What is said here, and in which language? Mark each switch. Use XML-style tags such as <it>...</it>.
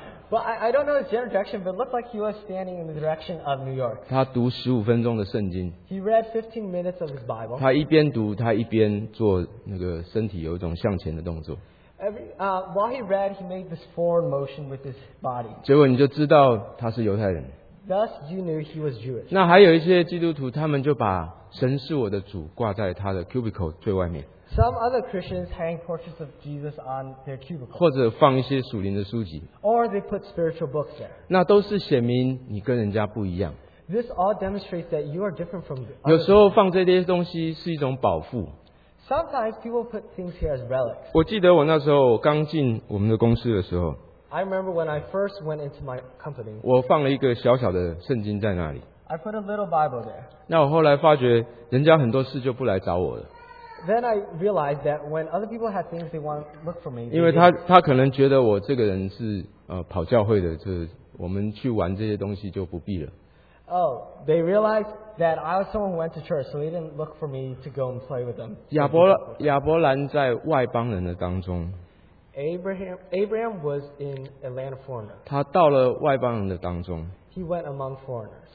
<en>But I don't know his general direction, but it looked like he was standing in the direction of New York.</en> <zh>他读15分钟的圣经。</zh> <en>He read 15 minutes of his Bible.</en> <zh>他一边读, 他一边做那个身体有一种向前的动作。</zh> <en>While he read, he made this forward motion with his body.</en> <zh>结果你就知道他是犹太人。</zh> <en>Thus you knew he was Jewish.</en> <zh>那还有一些基督徒, 他们就把神是我的主挂在他的cubicle最外面。</zh> <en>Some other Christians hang portraits of Jesus on their cubicle.</en> <zh>或者放一些属灵的书籍。</zh> <en>Or they put spiritual books there.</en> <zh>那都是显明你跟人家不一样。</zh> <en>This all demonstrates that you are different from others.</en> <zh>有时候放这些东西是一种宝库。</zh> <en>Sometimes people put things here as relics.</en> <zh>我记得我那时候刚进我们的公司的时候。</zh> <en>I remember when I first went into my company.</en> <zh>我放了一个小小的圣经在那里。</zh> <en>I put a little Bible there.</en> <zh>那我后来发觉人家很多事就不来找我了。</zh> <en>Then I realized that when other people had things they want to look for me,</en> <zh>因为他可能觉得我这个人是跑教会的，就是我们去玩这些东西就不必了。</zh> <en>Oh, they realized that I was someone who went to church, so they didn't look for me to go and play with them.</en> <zh>亚伯兰在外邦人的当中。</zh> <en>Abraham was in a land of foreigners.</en> <zh>他到了外邦人的当中。</zh> <en>He went among foreigners.</en>